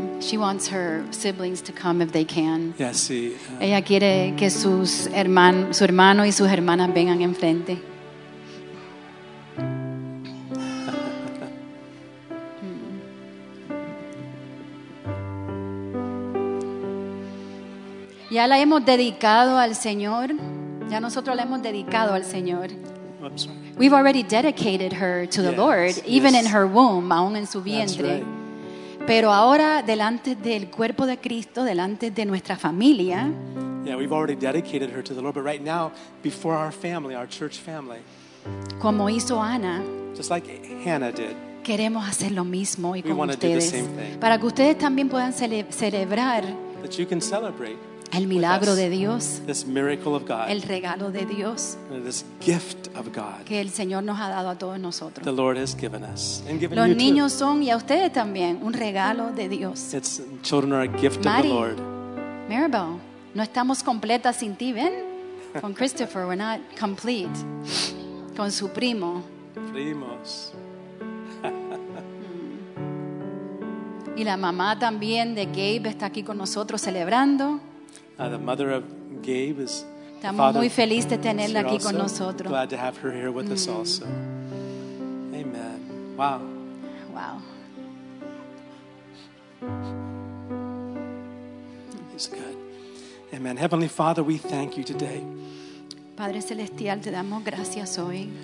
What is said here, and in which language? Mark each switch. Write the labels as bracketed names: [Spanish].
[English] Wants her siblings to come if they can. Yeah, sí. [Spanish] Ella quiere que sus su hermano y sus hermanas vengan enfrente. Ya la hemos dedicado al Señor. Ya nosotros la hemos dedicado al Señor. [English] We've already dedicated her to the Lord, even in her womb, aún en su vientre. That's right. [Spanish] Pero ahora, delante del cuerpo de Cristo, delante de nuestra familia. [English] Yeah, we've already dedicated her to the Lord, but right now, before our family, our church family. [Spanish] Como hizo Ana. [English] Just like Hannah did. [Spanish] Queremos hacer lo mismo y [English] we [Spanish] con ustedes. [English] We want to do the same thing. [Spanish] Para que ustedes también puedan celebrar. [English] That you can celebrate. [Spanish] El milagro de Dios. [English] This miracle of God. [Spanish] El regalo de Dios. [English] This gift of God. [Spanish] Que el Señor nos ha dado a todos nosotros. [English] The Lord has given us. And given [Spanish] los [English] you [Spanish] niños [English] too. [Spanish] Son, y a ustedes también, un regalo de Dios. [English] It's, children are a gift Mari, of the Lord. [Spanish] Maribel, no estamos completas sin ti, ¿ven? Con Christopher, we're not complete. Con su primo. primos. Y la mamá también de Gabe está aquí con nosotros celebrando. [English] The mother of Gabe is. [Spanish] Estamos muy felices de tenerla aquí con nosotros. [English] Glad to have her here with us also. Amen. Wow. Wow. It's good. Amen. Heavenly Father, we thank you today. [Spanish] Padre celestial, te damos gracias hoy.